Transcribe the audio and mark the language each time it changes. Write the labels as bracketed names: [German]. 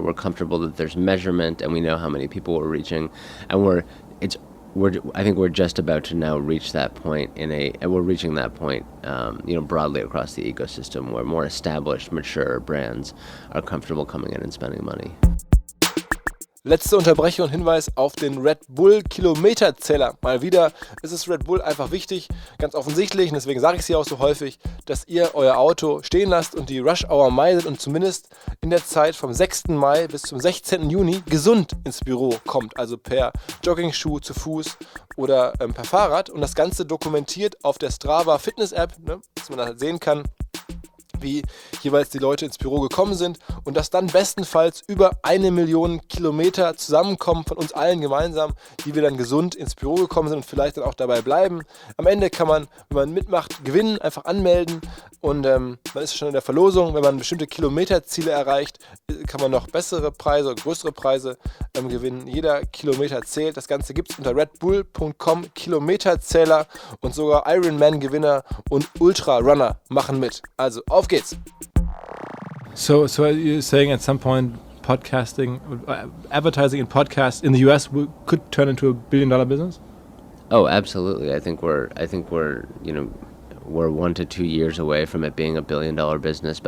[English] We're comfortable that there's measurement, and we know how many people we're reaching, and I think we're just about to now reach that point we're reaching that point, broadly across the ecosystem where more established, mature brands are comfortable coming in and spending money. [German] Letzte Unterbrechung und Hinweis auf den Red Bull Kilometerzähler. Mal wieder ist es Red Bull einfach wichtig, ganz offensichtlich, und deswegen sage ich es hier auch so häufig, dass ihr euer Auto stehen lasst und die Rush Hour meidet und zumindest in der Zeit vom 6. Mai bis zum 16. Juni gesund ins Büro kommt, also per Jogging-Schuh, zu Fuß oder per Fahrrad, und das Ganze dokumentiert auf der Strava Fitness App, ne, dass man das halt sehen kann, wie jeweils die Leute ins Büro gekommen sind, und dass dann bestenfalls über 1 Million Kilometer zusammenkommen von uns allen gemeinsam, die wir dann gesund ins Büro gekommen sind und vielleicht dann auch dabei bleiben. Am Ende kann man, wenn man mitmacht, gewinnen, einfach anmelden, und man ist schon in der Verlosung. Wenn man bestimmte Kilometerziele erreicht, kann man noch bessere Preise, größere Preise gewinnen. Jeder Kilometer zählt. Das Ganze gibt es unter redbull.com Kilometerzähler, und sogar Ironman-Gewinner und Ultra-Runner machen mit. Also auf geht's. [English] So you're saying at some point podcasting, advertising and podcasts in the US could turn into a billion-dollar business? Oh, absolutely. I think we're 1 to 2 years away from it being a billion-dollar business.